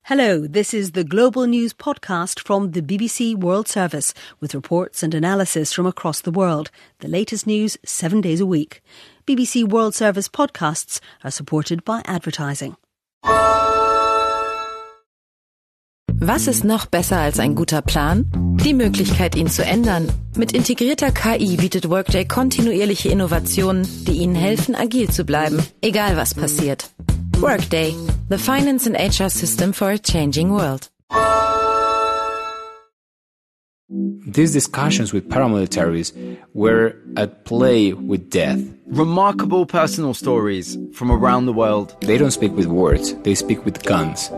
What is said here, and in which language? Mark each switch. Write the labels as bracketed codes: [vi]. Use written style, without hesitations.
[en] Hello, this is the Global News Podcast from the BBC World Service with reports and analysis from across the world. The latest news 7 days a week. BBC World Service podcasts are supported by advertising. [de] Was ist noch besser als ein guter Plan? Die Möglichkeit, ihn zu ändern. Mit integrierter KI bietet Workday kontinuierliche Innovationen, die Ihnen helfen, agil zu bleiben, egal was passiert. [en] Workday, the finance and HR system for a changing world. These discussions with paramilitaries were at play with death. Remarkable personal stories from around the world. They don't speak with words, they speak with guns.